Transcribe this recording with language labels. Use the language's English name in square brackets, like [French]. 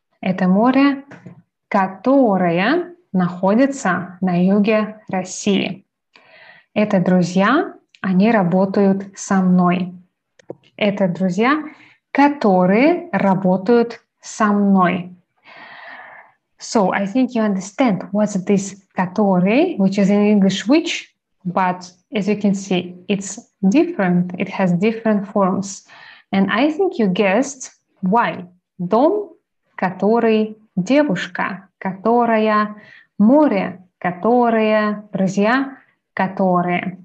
[Russian] Это море, которая находится на юге России. Это друзья, они работают со мной. Это друзья, которые работают со мной. [English] So, I think you understand what's this который, which is in English which, but as you can see, it's different, it has different forms. And I think you guessed why. [Russian] Дом, который, девушка, которая, море, которые, друзья, которые.